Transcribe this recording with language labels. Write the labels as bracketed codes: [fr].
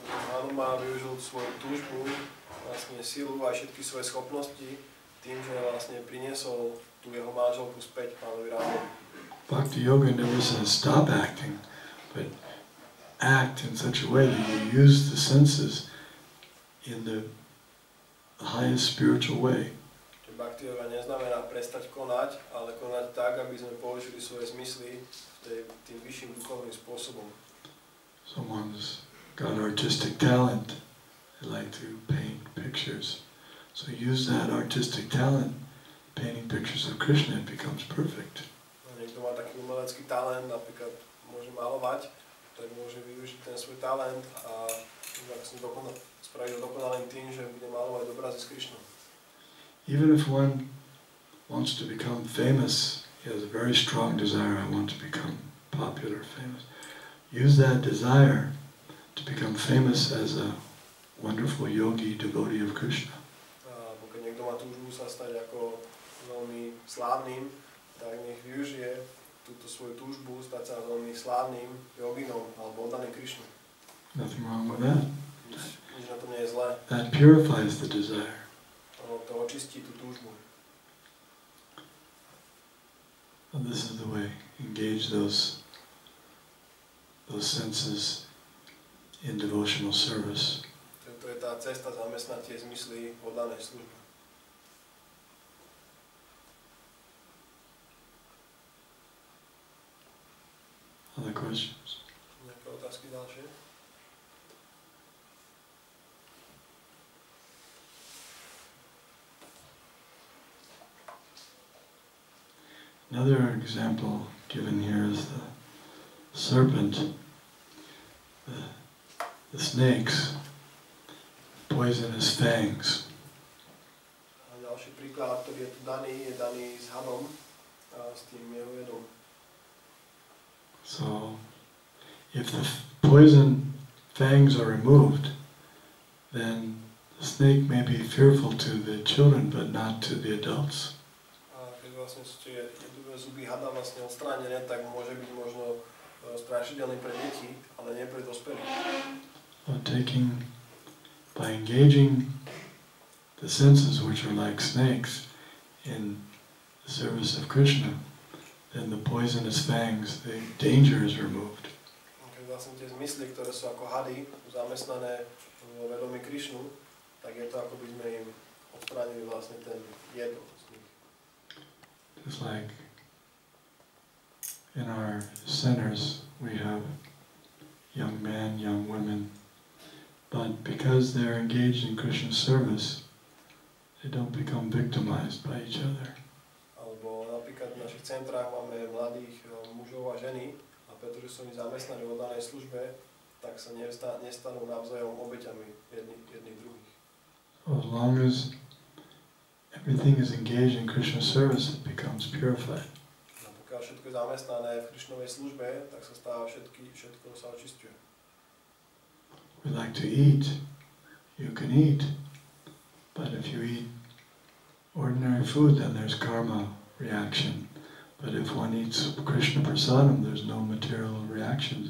[sk] Hanuman využil svoju túžbu, vlastne silu a všetky svoje schopnosti tým, že vlastne priniesol tú jeho manželku späť pánovi Rámovi. [en] Bhakti yoga never says stop acting, but act in such a way that you use the senses in the highest spiritual way. [sk] Bhakti yoga neznamená prestať konať, ale konať tak, aby sme použili svoje zmysly tým vyšším duchovným spôsobom. [en] Someone's got artistic talent. They like to paint pictures. So use that artistic talent, painting pictures of Krishna, it becomes perfect. [sk] Niekto má taký umelecký talent, napríklad môže malovať, tak môže využiť ten svoj talent a spraviť ho dokonalým tým, že bude malovať obrazy s Krishna. [en] Even if one wants to become famous, he has a very strong desire, I want to become popular, famous. Use that desire to become famous as a wonderful yogi, devotee of Krishna. [sk] Pokud niekto má túžbu sa stať ako veľmi slávnym, tak nech využije túto svoju túžbu stať sa veľmi slávnym joginom alebo oddaným Krishna. [en] Nothing wrong with that. [sk] Nič na tom nie je zlé. [en] That purifies the desire. [sk] To očistí tú túžbu. [en] And this is the way. Engage those senses in devotional service. [sk] To je tá cesta zamestnať tie zmysly v oddanej službe. [en] Other questions? [sk] Nejaké otázky ďalšie? [en] Another example given here is the serpent, the snakes, poisonous fangs. [sk] A ďalší príklad, ktorý je tu daný, je daný s hadom, s tým jeho jedom. [en] So, if the poison fangs are removed, then the snake may be fearful to the children, but not to the adults. [sk] Zuby hada vlastne odstránené, tak môže byť možno strašidelný pre deti, ale nie pre dospelých. [en] By engaging the senses which are like snakes in the service of Krishna, then the poisonous fangs, the danger is removed. [sk] Keď vlastne tie zmysly, ktoré sú ako hady, zamestnané v vedomí Krishnu, tak je to ako by sme im odstránili vlastne ten jed z nich. [en] Just like in our centers, we have young men, young women, but because they're engaged in Krishna service, they don't become victimized by each other. [sk] Alebo napríklad v našich centrách máme mladých mužov a ženy, a pretože sú oni zamestnaní v danej službe, tak sa nestanú navzájom obeťami jedných druhých. [en] As long as everything is engaged in Krishna service, it becomes purified. [sk] A všetko je zamestnané v Krišnovej službe, tak sa stáva všetko sa očistuje. [en] We like to eat. You can eat. But if you eat ordinary food, then there's karma reaction. But if one eats Krishna prasadam, there's no material reactions.